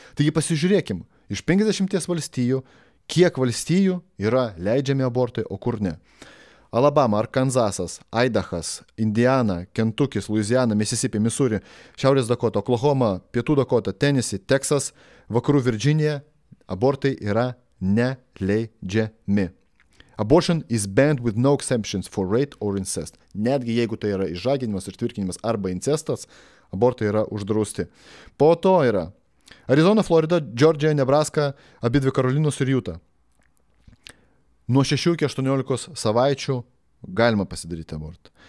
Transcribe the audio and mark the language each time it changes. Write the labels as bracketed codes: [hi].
[lt] Taigi pasižiūrėkim, iš 50 valstijų, kiek valstijų yra leidžiami abortai, o kur ne. Alabama, Arkanzasas, Aidahas, Indiana, Kentukis, Luiziana, Mississippi, Missouri, Šiaurės Dakota, Oklahoma, Pietų Dakota, Tennessee, Texas, Vakarų Virginija, abortai yra neleidžiami. [en] Abortion is banned with no exceptions for rape or incest. [lt] Netgi jeigu tai yra išžaginimas ir tvirkinimas arba incestas, abortai yra uždrausti. Po to yra Arizona, Florida, Georgia, Nebraska, abi dvi Karolinos ir Utah. Nuo 6 iki 18 savaičių galima pasidaryti abortą.